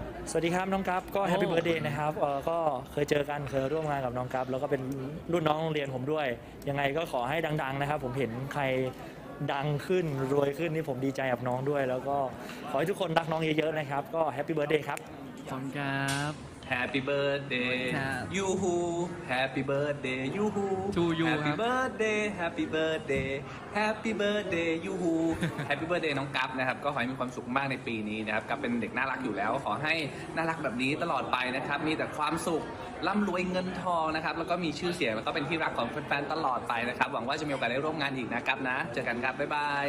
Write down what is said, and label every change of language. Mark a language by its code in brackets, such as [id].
[th] สวัสดีครับน้องกราฟก็แฮปปี้เบิร์ธเดย์นะครับก็เคยเจอกันเคยร่วมงานกับน้องกราฟแล้วก็เป็นรุ่นน้องโรงเรียนผมด้วยยังไงก็ขอให้ดังๆนะครับผมเห็นใครดังขึ้นรวยขึ้นนี่ผมดีใจกับน้องด้วยแล้วก็ขอให้ทุกคนรักน้องเยอะๆนะครับก็แฮปปี้เบิร์ธเดย์ครับ ขอบคุณครับ [en] Happy birthday you who happy birthday you who to you happy birthday happy birthday [th] happy birthday you who happy birthday น้องกัฟนะครับก็ขอให้มีความสุขมากในปีนี้นะครับกัฟเป็นเด็กน่ารักอยู่แล้วขอให้น่ารักแบบนี้ตลอดไปนะครับมีแต่ความสุขร่ํารวยเงินทองนะครับแล้วก็มีชื่อเสียงแล้วก็เป็นที่รักของแฟนๆตลอดไปนะครับหวังว่าจะมีโอกาสได้ร่วมงานอีกนะกัฟนะเจอกันครับบ๊ายบาย